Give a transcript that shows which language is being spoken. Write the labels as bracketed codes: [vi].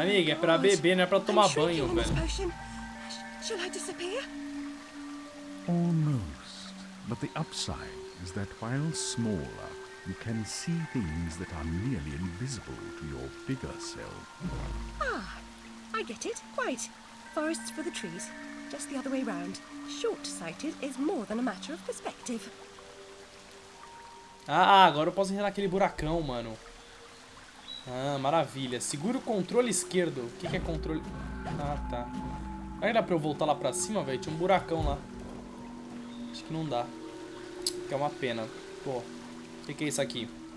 [pt] Amiga, é pra beber, não é pra tomar banho, velho. [en] Shall I disappear? Almost. But the upside is that while smaller, you can see things that are nearly invisible to your bigger self. Ah, I get it. Quite. Forests for the trees. Just the other way round. Short-sighted is more than a matter of perspective. [pt] Ah, agora eu posso entrar naquele buracão, mano. Ah, maravilha. Segura o controle esquerdo. O que é controle? Ah, tá. Será que dá pra eu voltar lá pra cima, velho? Tinha um buracão lá. Acho que não dá. Que é uma pena. Pô. O que é isso aqui?